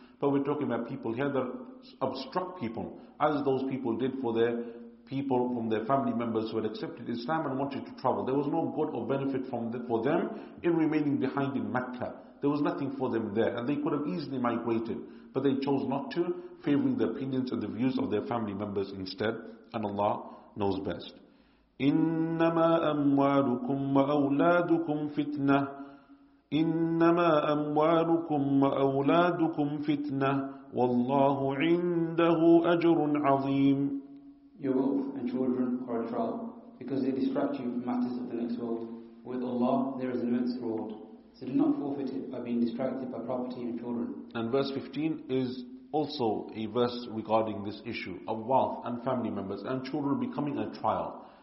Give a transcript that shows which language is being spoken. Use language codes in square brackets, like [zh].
[en] But we're talking about people here that obstruct people, as those people did for their people from their family members who had accepted Islam and wanted to travel. There was no good or benefit for them in remaining behind in Mecca. There was nothing for them there, and they could have easily migrated, but they chose not to, favoring the opinions and the views of their family members instead, and Allah knows best. [ar] إنما أموالكم وأولادكم فتنة إنما أموالكم وأولادكم فتنة والله عنده أجر عظيم. [en] Your wealth and children are a trial, because they distract you from matters of the next world. With Allah there is immense reward, so do not forfeit it by being distracted by property and children. And verse 15 is also a verse regarding this issue of wealth and family members and children becoming a trial.